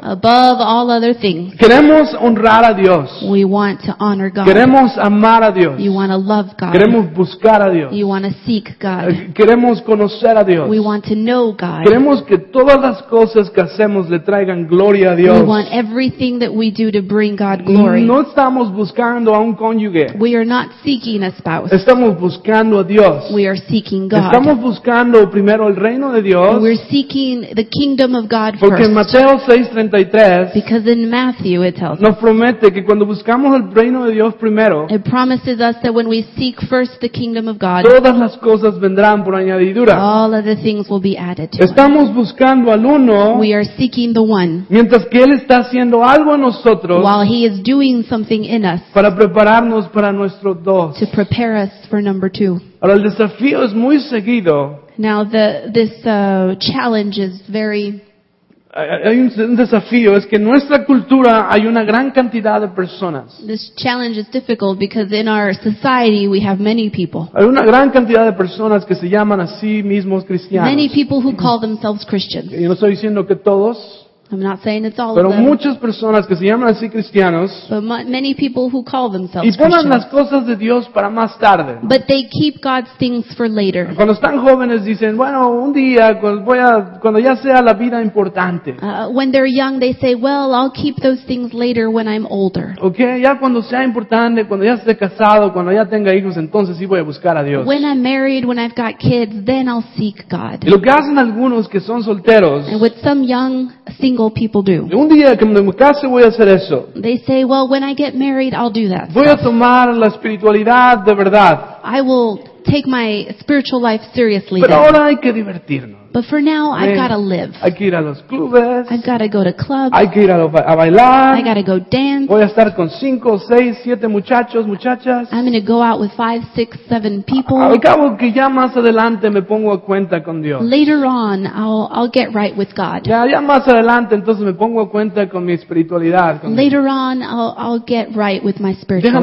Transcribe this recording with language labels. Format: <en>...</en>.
<en>Above all other things.</en> <es>Queremos honrar a Dios.</es> <en>We want to honor God.</en> <es>Queremos amar a Dios.</es> <en>You want to love God.</en> <es>Queremos buscar a Dios.</es> <en>You want to seek God.</en> <es>Queremos conocer a Dios.</es> <en>We want to know God.</en> <es>Queremos que todas las cosas que hacemos le traigan gloria a Dios.</es> <en>We want everything that we do to bring God glory.</en> <es>No estamos buscando a un cónyuge.</es> <en>We are not seeking a spouse.</en> <es>Estamos buscando a Dios.</es> <en>We are seeking God.</en> <es>Estamos buscando primero el reino de Dios.</es> <en>We're seeking the kingdom of God first.</en> <es>Porque en Mateo 6:33,</es> <en>because in Matthew it tells us,</en> <es>nos promete que cuando buscamos el reino de Dios primero,</es> <en>it promises us that when we seek first the kingdom of God,</en> <es>todas las cosas vendrán por añadidura.</es> <en>All of the things will be added to.</en> <es>Estamos buscando al uno.</es> <en>We are seeking the one.</en> <es>Mientras que él está haciendo algo en nosotros,</es> <en>while he is doing something in us,</en> <es>para prepararnos para nuestro dos,</es> <en>to prepare us for number two.</en> <es>Ahora el desafío es muy seguido.</es> <en>Now this challenge is very.</en> <es>Hay un desafío, es que en nuestra cultura hay una gran cantidad de personas.</es> <en>This challenge is difficult because in our society we have many people.</en> <es>Hay una gran cantidad de personas que se llaman a sí mismos cristianos.</es> <en>Many people who call themselves Christians.</en> <es>Y no estoy diciendo que todos.</es> <en>I'm not saying it's all</en> <es>pero</es> <en>of them.</en> <es>Muchas personas que se llaman así cristianos,</es> <en>but many people who call themselves</en> <es>y ponen</es> <en>Christians,</en> <es>las cosas de Dios para más tarde, no?</es> <en>But they keep God's things for later.</en> <es>Cuando están jóvenes dicen, bueno, un día, cuando ya sea la vida importante.</es> <en>When they're young, they say, well, I'll keep those things later when I'm older.</en> <es>Okay, ya cuando sea importante, cuando ya esté casado, cuando ya tenga hijos, entonces sí voy a buscar a Dios.</es> <en>When I'm married, when I've got kids, then I'll seek God.</en> <es>Y lo que hacen algunos que son solteros,</es> <en>and with some young single people do.</en> <es>Un día que me case voy a hacer eso.</es> <en>They say, well, when I get married, I'll do that.</en> <es>Voy a tomar la espiritualidad de verdad.</es> <en>I will take my spiritual life seriously.</en> <es>Pero ahora hay que divertirnos.</es> <en>But for now, I've got to live.</en> <es>Hay que ir a los clubes.</es> <en>I've got to go to clubs.</en> <es>Hay que ir a bailar.</es> <en>I got to go dance.</en> <es>Voy a estar con 5, 6, 7 muchachos, muchachas.</es> <en>I'm going to go out with 5, 6, 7 people.</en> <es>Al cabo que ya más adelante me pongo a cuenta con Dios.</es> <en>Later on, I'll get right with God.</en> <es>Ya más adelante, entonces me pongo a cuenta con mi espiritualidad.</es> <en>Later on, I'll get right with my spiritual</en>